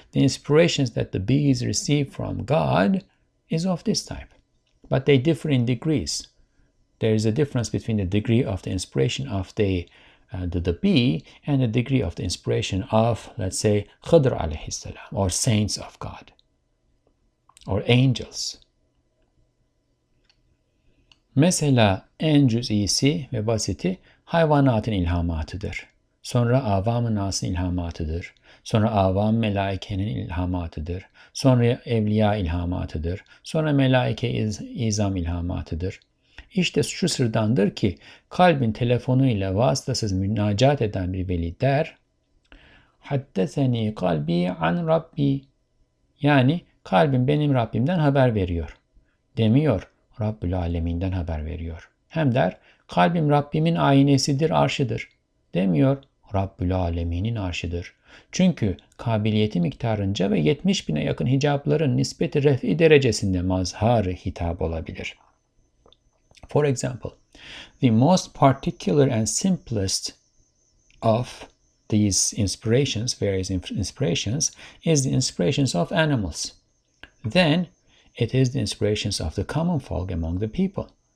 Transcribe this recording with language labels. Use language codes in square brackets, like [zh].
[en] The inspirations that the bees receive from God is of this type, but they differ in degrees. There is a difference between the degree of the inspiration of the bee and the degree of the inspiration of, let's say, Khidr alayhi salam, or saints of God, or angels. [tr] Mesela en cüz'isi ve basiti hayvanatın ilhamatıdır. Sonra avam-ı nasın ilhamatıdır. Sonra avam-ı melaikenin ilhamatıdır. Sonra evliya ilhamatıdır. Sonra melaike-i izam ilhamatıdır. İşte şu sırdandır ki kalbin telefonuyla vasıtasız münacat eden bir veli der. [ar] Haddeseni kalbi an Rabbi. [tr] Yani kalbim benim Rabbimden haber veriyor. Demiyor. Rabbül Aleminden haber veriyor. Hem der, kalbim Rabbimin aynesidir, arşıdır. Demiyor, Rabbül Aleminin arşıdır. Çünkü kabiliyeti miktarınca ve 70 bine yakın hicabların nispeti ref'i derecesinde mazhar-ı hitap olabilir. [en] For example, the most particular and simplest of these inspirations, various inspirations, is the inspirations of animals. Then, it is the inspirations of the common folk among the people.